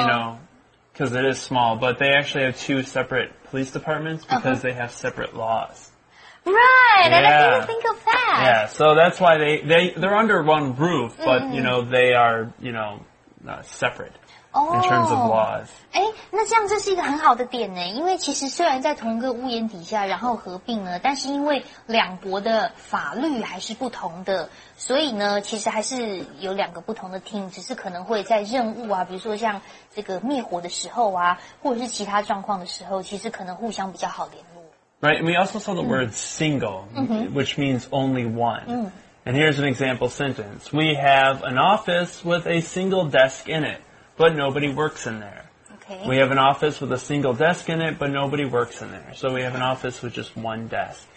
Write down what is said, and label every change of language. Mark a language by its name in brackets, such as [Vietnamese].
[English] you know, because it is small, but they actually have two separate police departments because、uh-huh. they have separate laws. Right!、Yeah. I didn't even think of that! Yeah, so that's why they're under one roof, but,、mm. you know, they are, you know,、separate、oh. in terms of laws. [Chinese] 诶那这样这是一个很好的点呢，因为其实虽然在同一个屋檐底下然后合并了，但是因为两国的法律还是不同的，所以呢其实还是有两个不同的 team, 只是可能会在任务啊，比如说像这个灭火的时候啊，或者是其他状况的时候，其实可能互相比较好联络。 [English] Right, and we also saw the word single,、mm-hmm. which means only one.、 Mm. And here's an example sentence. We have an office with a single desk in it, but nobody works in there. Okay. We have an office with a single desk in it, but nobody works in there. So we have an office with just one desk.